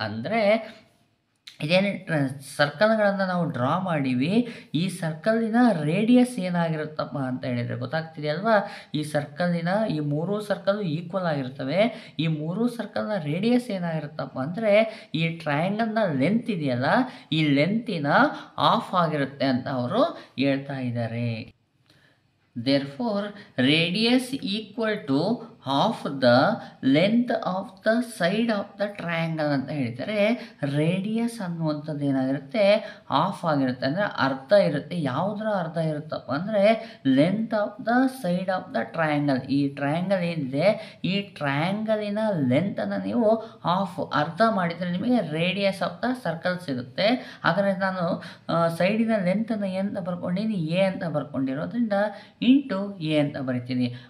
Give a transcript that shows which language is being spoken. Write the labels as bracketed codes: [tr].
[kn] ಅಂದ್ರೆ ಇದೇನು, ಸರ್ಕಲ್ಗಳನ್ನು ನಾವು ಡ್ರಾ ಮಾಡೀವಿ, ಈ ಸರ್ಕಲ್ನ ರೇಡಿಯಸ್ ಏನಾಗಿರುತ್ತಪ್ಪ ಅಂತ ಹೇಳಿದರೆ ಗೊತ್ತಾಗ್ತಿದೆಯಲ್ವಾ, ಈ ಸರ್ಕಲ್ನ ಈ ಮೂರು ಸರ್ಕಲ್ ಈಕ್ವಲ್ ಆಗಿರ್ತವೆ. ಈ ಮೂರು ಸರ್ಕಲ್ನ ರೇಡಿಯಸ್ ಏನಾಗಿರುತ್ತಪ್ಪ ಅಂದರೆ ಈ ಟ್ರಯಾಂಗಲ್ನ ಲೆಂತ್ ಇದೆಯಲ್ಲ, ಈ ಲೆಂತಿನ ಹಾಫ್ ಆಗಿರುತ್ತೆ ಅಂತ ಅವರು ಹೇಳ್ತಾ ಇದ್ದಾರೆ. [en] Therefore, radius equal to half the length of the side of the triangle [kn] ಅಂತ ಹೇಳಿದರೆ ರೇಡಿಯಸ್ ಅನ್ನುವಂಥದ್ದು ಏನಾಗಿರುತ್ತೆ, ಹಾಫ್ ಆಗಿರುತ್ತೆ. ಅಂದರೆ ಅರ್ಧ ಇರುತ್ತೆ. ಯಾವುದರ ಅರ್ಧ ಇರುತ್ತಪ್ಪ ಅಂದರೆ [en] Length of the side of the triangle. [kn] ಈ ಟ್ರಯಾಂಗಲ್ ಏನಿದೆ, ಈ ಟ್ರಯಾಂಗಲಿನ ಲೆಂತನ್ನು ನೀವು ಹಾಫ್ ಅರ್ಧ ಮಾಡಿದರೆ ನಿಮಗೆ ರೇಡಿಯಸ್ ಆಫ್ ದ ಸರ್ಕಲ್ ಸಿಗುತ್ತೆ. ಹಾಗಾದರೆ ನಾನು ಸೈಡಿನ ಲೆಂತನ್ನು ಏನಂತ ಬರ್ಕೊಂಡಿನಿ, ಎ ಅಂತ ಬರ್ಕೊಂಡಿರೋದ್ರಿಂದ ಇಂಟು ಎ ಅಂತ ಬರಿತೀನಿ.